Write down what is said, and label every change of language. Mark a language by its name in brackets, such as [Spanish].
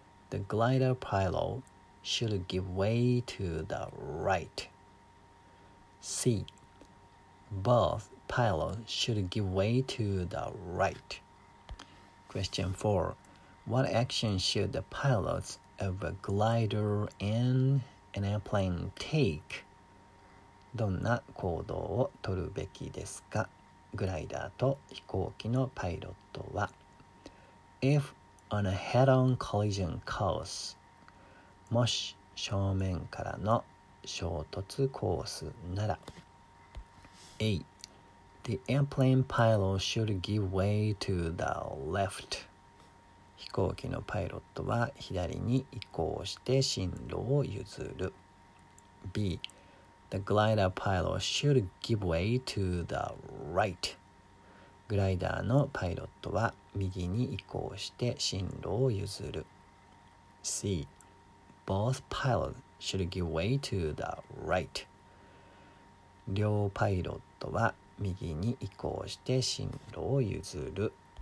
[English] The glider pilot should give way to the right. C. Both pilots should give way to the right. Question 4. What action should the pilots of a glider and an airplane take? [Japanese] どんな行動を取るべきですか？グライダーと飛行機のパイロットは。 [English] If on a head-on collision course、 [Japanese] もし正面からの衝突コースなら。 [English] A. The airplane pilot should give way to the left. [Japanese] 飛行機のパイロットは左に移行して進路を譲る。 [English] B. The glider pilot should give way to the right. [Japanese] グライダーのパイロットは右に移行して進路を譲る。 [English] C. Both pilots should give way to the right. [Japanese] 両パイロットは右に移行して進路を譲る。